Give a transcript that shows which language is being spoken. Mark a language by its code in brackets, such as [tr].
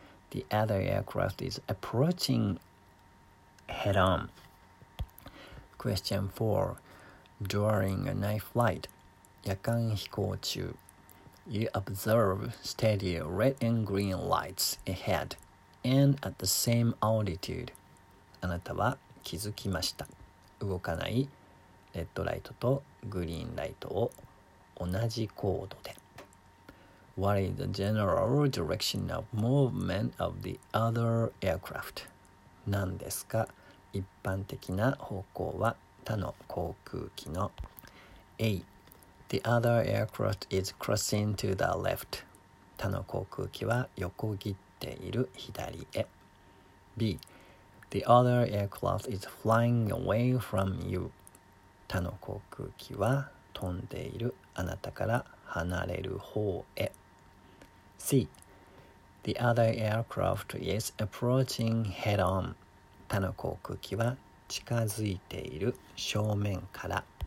[en] The other aircraft is approaching head-on. Question 4. During a night flight, [ja] 夜間飛行中, [en] you observe steady red and green lights ahead and at the same altitude. [ja] あなたは気づきました。動かないレッドライトとグリーンライトを同じ高度で。 [en] What is the general direction of movement of the other aircraft? [ja] 何ですか? 一般的な方向は他の航空機の。 [en] A. The other aircraft is crossing to the left. [ja] 他の航空機は横切っている左へ。 [en] B. The other aircraft is flying away from you. [ja] 他の航空機は飛んでいるあなたから離れる方へ。 [en] C. The other aircraft is approaching head on. [ja] 他の航空機は近づいている正面から。